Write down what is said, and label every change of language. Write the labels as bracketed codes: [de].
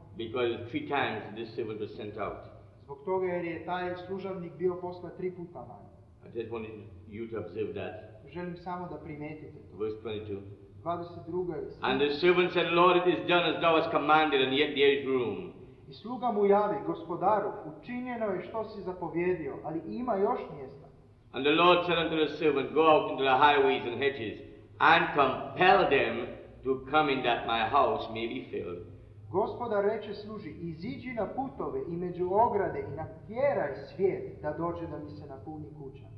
[en] Because 3 times this servant was sent out. [hr] Zbog toga jer je taj služavnik bio poslat 3 puta manje. [en] I just wanted you to observe that. [hr] Želim samo da primetite to. [en] Verse 22. [hr] 22. [en] And the servant said, Lord, it is done as thou hast commanded, and yet there is room. [hr] I sluga mu javi, gospodaru, učinjeno je što si zapovjedio, ali ima još mjesta. [en] And the Lord said unto the servant, go out into the highways and hedges, and compel them to come in that my house may be filled. [hr] Gospodar reče služi, iziđi na putove i među ograde i natjeraj svijet da dođe da mi se napuni kuća.